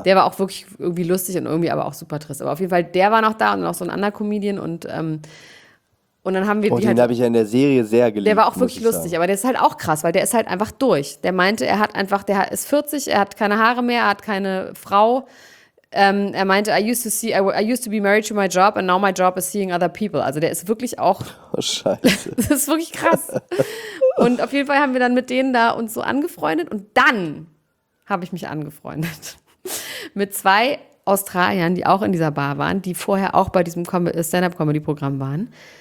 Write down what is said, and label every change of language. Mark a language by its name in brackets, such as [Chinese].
[German] Der war auch wirklich irgendwie lustig und irgendwie aber auch super trist. Aber auf jeden Fall, der war noch da und noch so ein anderer Comedian und dann haben wir die halt, den habe ich ja in der Serie sehr geliebt. Der war auch wirklich lustig, aber der ist halt auch krass, weil der ist halt einfach durch. Der meinte, er hat einfach, der ist 40, er hat keine Haare mehr, er hat keine Frau. Er meinte, [English] I used to be married to my job and now my job is seeing other people. [German] Also der ist wirklich auch. Oh, Scheiße. Das ist wirklich krass. Und auf jeden Fall haben wir dann mit denen da uns so angefreundet und dann habe ich mich angefreundet mit 2 Australiern, die auch in dieser Bar waren, die vorher auch bei diesem Stand-Up-Comedy-Programm waren.